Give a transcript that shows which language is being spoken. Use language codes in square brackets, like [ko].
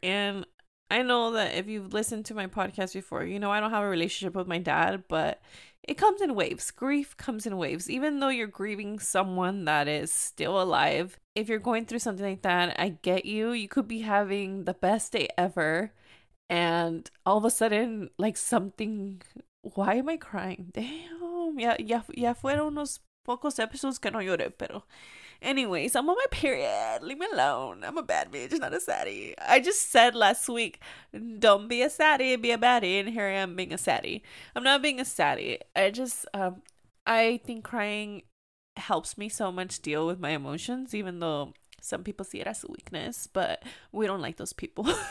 [en] And I know that if you've listened to my podcast before, you know I don't have a relationship with my dad, but it comes in waves. Grief comes in waves. Even though you're grieving someone that is still alive, if you're going through something like that, I get you. You could be having the best day ever and all of a sudden, like something, why am I crying? Damn. [es] Ya fueron unos pocos episodios que no lloré, pero [en] anyways, I'm on my period. Leave me alone. I'm a bad bitch, not a saddie. I just said last week, don't be a saddie, be a baddie. And here I am being a saddie. I'm not being a saddie. I just, I think crying helps me so much deal with my emotions, even though some people see it as a weakness, but we don't like those people.